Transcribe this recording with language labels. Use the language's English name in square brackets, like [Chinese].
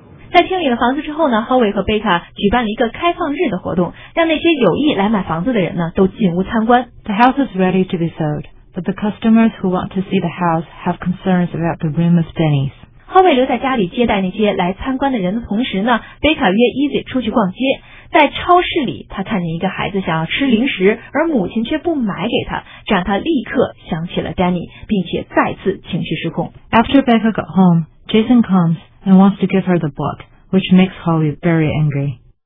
[Chinese] 在清理了房子之后呢， Howie 和贝卡举办了一个开放日的活动，让那些有意来买房子的人呢都进屋参观。 [English] The house is ready to be sold, but the customers who want to see the house have concerns about the room of Denny's. [Chinese] 后卫留在家里接待那些来参观的人的同时呢，贝卡约 Easy 出去逛街。在超市里，他看见一个孩子想要吃零食，而母亲却不买给他，这让他立刻想起了 Danny， 并且再次情绪失控。 [English] After Becca got home, Jason comes and wants to give her the book, which makes Holly very angry.